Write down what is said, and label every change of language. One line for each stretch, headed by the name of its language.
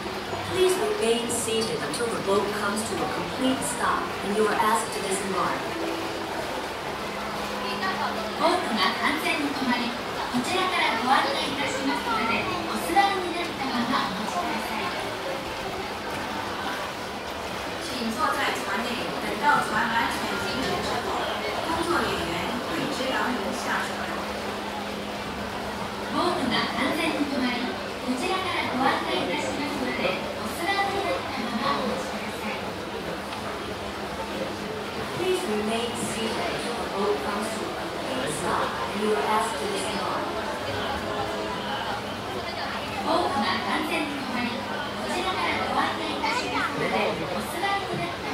English: boat comes to a complete stop and you are asked to disembark.
Japanese: ボートが完全に止まり、こちらからご案内いたしますので、お座りになったままお待ちください。
Chinese: 请坐在船内，等到船完全停止之后，工作人员会指导您下船。
Japanese: ボートが完全に止まり、こちらからご案内いたしますので、お座りになったままお待ちください。
English: Please remain seated until the boat comes to a complete stop and you are asked to disembark.
Japanese: ボートが完全に止まり、こちらからご案内いたしますので、お座りになったままお待ちください。